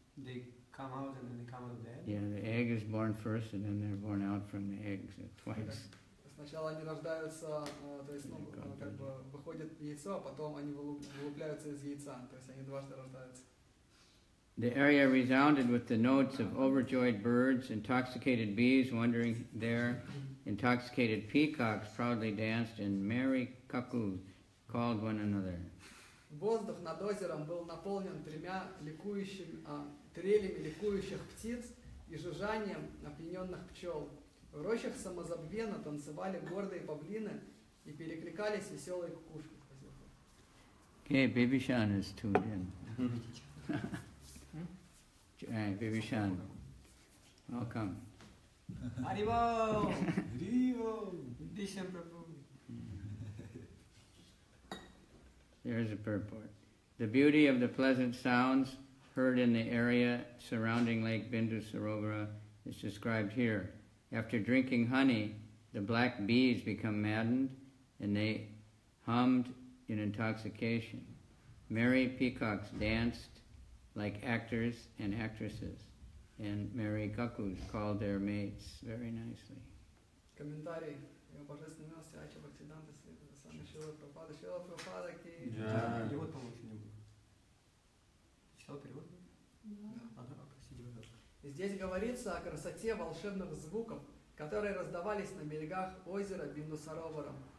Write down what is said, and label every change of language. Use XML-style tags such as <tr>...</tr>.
<en>They come out and then they come out of the egg? Yeah, the egg is born first and then they're born out from the egg, so twice.</en> <ru>Сначала они рождаются, то есть, ну, как бы, выходят яйцо, а потом они вылупляются из яйца, то есть они дважды рождаются.</ru> <en>The area resounded with the notes of overjoyed birds, intoxicated bees wandering there, intoxicated peacocks proudly danced, and merry cuckoos called one another.</en> <ru>Воздух над озером был наполнен тремя ликующими, трелями ликующих птиц и жужжанием опьяненных пчел. В рощах самозабвенно танцевали гордые павлины и перекликались веселые кукушки.</ru> <en>Okay, baby Sean is tuned in. Hey, baby Sean. Welcome.</en> <it>Arrivo! Arrivo!</it> <en>Edition Prabhu. There's a purport. The beauty of the pleasant sounds heard in the area surrounding Lake Bindusarovara is described here. After drinking honey, the black bees become maddened and they hummed in intoxication. Merry peacocks danced like actors and actresses, and merry cuckoos called their mates very nicely.</en> <ru>Комментарий. Его божественная милость, Ача Бхактиданта, Сами Шрила Прабхупада, Шрила Прабхупада, Ки. Перевод получил. Читал перевод? Да. Ага, простите, пожалуйста. Здесь говорится о красоте волшебных звуков, которые раздавались на берегах озера Бинду-Саровара.</ru>